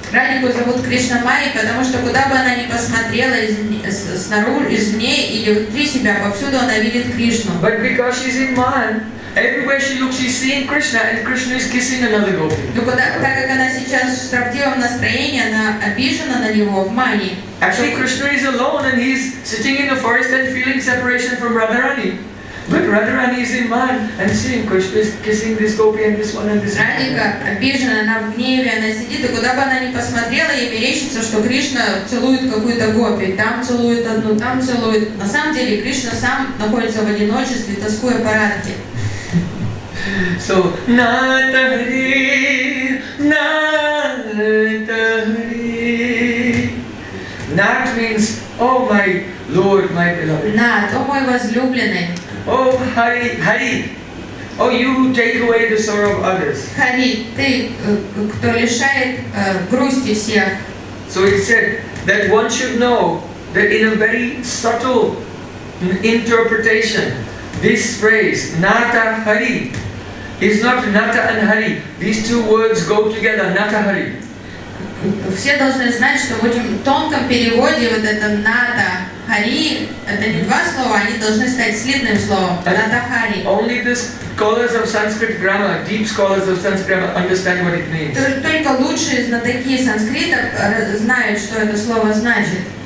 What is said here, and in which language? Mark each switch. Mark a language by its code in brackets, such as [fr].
[ru] Радику зовут Кришна Майи, потому что куда бы она ни посмотрела, снаружи, извне или внутри себя, повсюду она видит Кришну. [en] But because she's in Man. Everywhere she looks, she's seeing Krishna, and Krishna is kissing another gopi. [ru] Но когда, так как она сейчас в строптивом настроении, она обижена на него в мане. [en] Actually, Krishna is alone, and he's sitting in the forest and feeling separation from Radharani. But Radharani is in man, and seeing Krishna is kissing this gopi and this one and this. [ru] Радика обижена, она в гневе, она сидит, и куда бы она ни посмотрела, ей мерещится, что Кришна целует какую-то гопи, там целует одну, там целует. На самом деле, Кришна сам находится в одиночестве, тоскуя по Радхе. [sa] So, Натахри, Натахри. [en] Нат means, oh my Lord, my beloved. Нат, oh my [ru] возлюбленный. [en] Oh Hari, Hari. Oh you who take away the sorrow of others. [ru] Hari, ты, кто лишает грусти всех. [en] So he said that one should know that in a very subtle interpretation, this phrase, Nata Hari, is not Nata and Hari. These two words go together, Nata Hari. [ru] Все должны знать, что в очень тонком переводе вот это Nata Hari, это не два слова, они должны стать слитным словом. Nata Hari. [en] Only the scholars of Sanskrit grammar, deep scholars of Sanskrit grammar, understand what it means. [ru] Только лучшие знатоки санскрита знают, что это слово значит.